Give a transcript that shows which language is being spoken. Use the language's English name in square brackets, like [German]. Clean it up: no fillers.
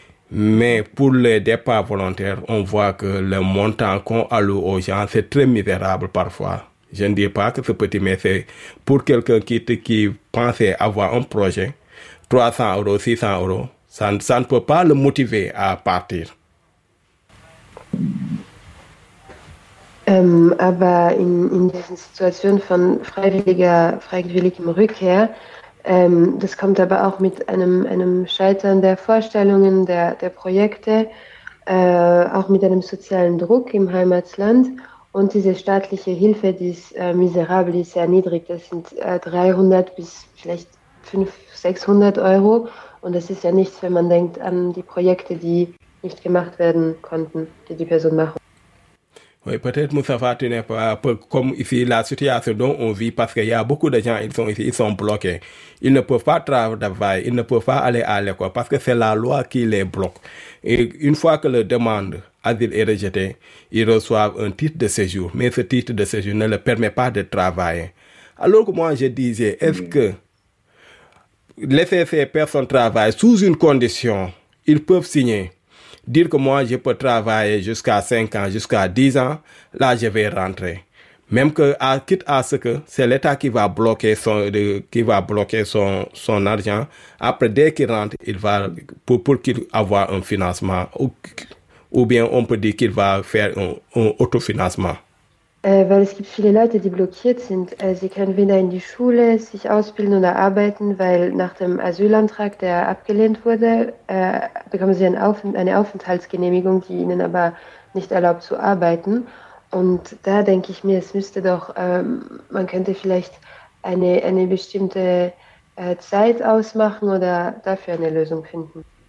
[French] Mais pour les départs volontaires, on voit que le montant qu'on alloue aux gens, c'est très misérable parfois. Je ne dis pas que c'est petit, mais c'est pour quelqu'un qui pensait avoir un projet, 300 euros, 600 euros. Ça ne peut pas le motiver à partir. [German] Aber in diesen Situationen von freiwilligem Rückkehr, das kommt aber auch mit einem Scheitern der Vorstellungen, der Projekte, auch mit einem sozialen Druck im Heimatland und diese staatliche Hilfe, die ist miserabel, die ist sehr niedrig. Das sind 300 bis vielleicht 500, 600 Euro. Und das ist ja nichts, wenn man denkt an die Projekte, die nicht gemacht werden konnten, die die Person machen. [French] Oui, peut-être Moustapha, tu n'es pas comme ici la situation dont on vit, parce qu'il y a beaucoup de gens, ils sont ici, ils sont bloqués. Ils ne peuvent pas travailler, ils ne peuvent pas aller à l'école, parce que c'est la loi qui les bloque. Et une fois que leur demande d'asile est rejetée, ils reçoivent un titre de séjour, mais ce titre de séjour ne leur permet pas de travailler. Alors que moi, je disais, est-ce que laisser ces personnes travailler sous une condition, ils peuvent signer, dire que moi je peux travailler jusqu'à 5 ans, jusqu'à 10 ans, là je vais rentrer. Même que, quitte à ce que c'est l'État qui va bloquer son argent, après dès qu'il rentre, il va pour qu'il ait un financement, ou bien on peut dire qu'il va faire un autofinancement. [German] Weil es gibt viele Leute, die blockiert sind. Sie können weder in die Schule sich ausbilden oder arbeiten, weil nach dem Asylantrag, der abgelehnt wurde, bekommen sie eine Aufenthaltsgenehmigung, die ihnen aber nicht erlaubt zu arbeiten. Und da denke ich mir, es müsste doch, man könnte vielleicht eine bestimmte Zeit ausmachen oder dafür eine Lösung finden.